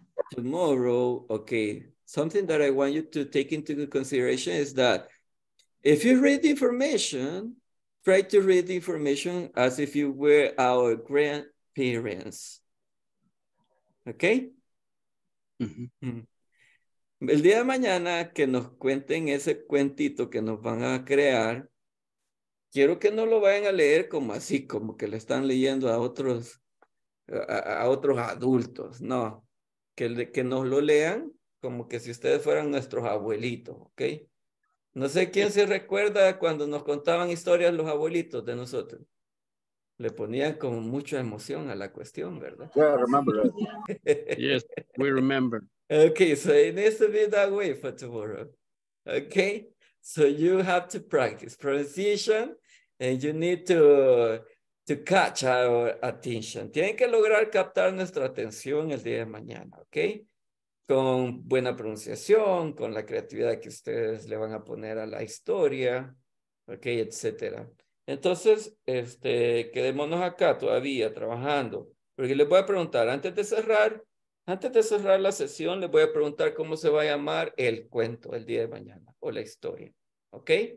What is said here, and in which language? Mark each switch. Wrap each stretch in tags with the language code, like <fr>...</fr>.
<en>Tomorrow, okay, something that I want you to take into consideration is that if you read the information, try to read the information as if you were our grandparents. Okay. Mm-hmm.</en> <es>El día de mañana que nos cuenten ese cuentito que nos van a crear, quiero que no lo vayan a leer como así, como que le están leyendo a otros adultos, no. Que nos lo lean como que si ustedes fueran nuestros abuelitos, okay. No sé quién se recuerda cuando nos contaban historias los abuelitos de nosotros. Le ponían con mucha emoción a la cuestión, ¿verdad?</es> <en>Yeah, I remember that. Yes, we remember. Okay, so it needs to be that way for tomorrow. Okay, so you have to practice pronunciation and you need to catch our attention.</en> <es>Tienen que lograr captar nuestra atención el día de mañana, okay? Con buena pronunciación, con la creatividad que ustedes le van a poner a la historia, okay, etcétera. Entonces, quedémonos acá todavía trabajando, porque les voy a preguntar, antes de cerrar la sesión, les voy a preguntar cómo se va a llamar el cuento el día de mañana, o la historia, ¿ok?</es>